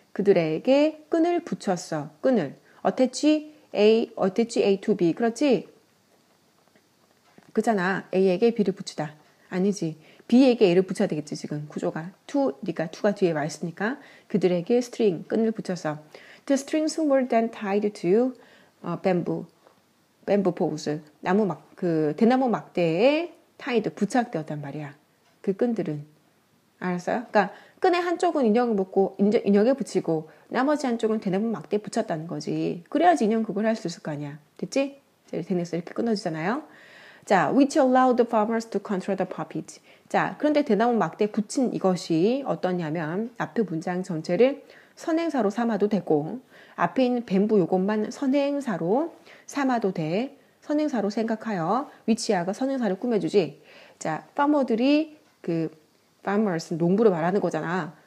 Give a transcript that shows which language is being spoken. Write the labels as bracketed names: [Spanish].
[Korean] 그들에게 끈을 붙였어. 끈을 [English] attach A to B. [Korean] 그렇지? 그잖아. A에게 B를 붙이다. 아니지. B에게 A를 붙여야 되겠지, 지금. 구조가. 2니까, 2가 뒤에 와 있으니까. 그들에게 스트링, 끈을 붙여서. [English] The strings were then tied to bamboo poles. [Korean] 나무 막, 그, 대나무 막대에 tied, 부착되었단 말이야. 그 끈들은. 알았어요? 그러니까 끈의 한쪽은 인형을 묶고 인형에 붙이고 나머지 한쪽은 대나무 막대에 붙였다는 거지. 그래야지 인형 그걸 할수 있을 거 아니야. 됐지? 대뉴스 이렇게 끊어주잖아요. [English] 자, which allowed the farmers to control the puppets. [Korean] 자, 그런데 대나무 막대에 붙인 이것이 어떠냐면 앞에 문장 전체를 선행사로 삼아도 되고 앞에 있는 뱀부 요것만 선행사로 삼아도 돼. 선행사로 생각하여 위치아가 선행사를 꾸며주지. 자, farmer들이 그 farmers 농부를 말하는 거잖아.